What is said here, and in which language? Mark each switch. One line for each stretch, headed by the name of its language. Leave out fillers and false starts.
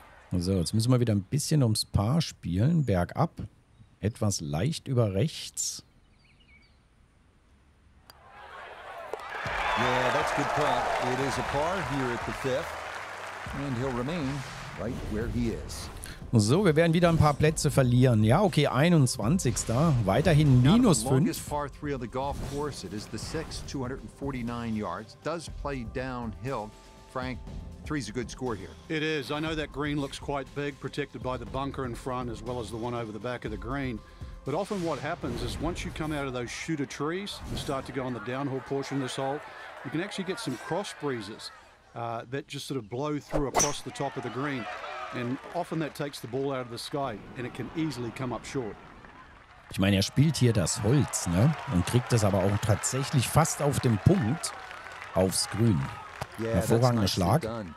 German: So, jetzt müssen wir wieder ein bisschen ums Paar spielen, bergab, etwas leicht über rechts.
English: Yeah, that's good putt. It is a par here at the fifth, and he'll remain right where he is.
German: So, wir werden wieder ein paar Plätze verlieren. Ja, okay, 21. Weiterhin minus 5.
English: Longest par 3 of the golf course. It is the 6, 249 yards. Does play downhill, Frank. Three's a good score here. It is. I know that green looks quite big, protected by the bunker in front as well as the one over the back of the green. But often what happens is once you come out of those shooter trees and start to go on the downhill portion of this hole, you can actually get some cross breezes that just sort of blow through across the top of the green. And often that takes the ball out of the sky and it can easily come up short.
German: Ich meine, er spielt hier das Holz, ne? Und kriegt das aber auch tatsächlich fast auf dem Punkt aufs Grün. Hervorragender Schlag.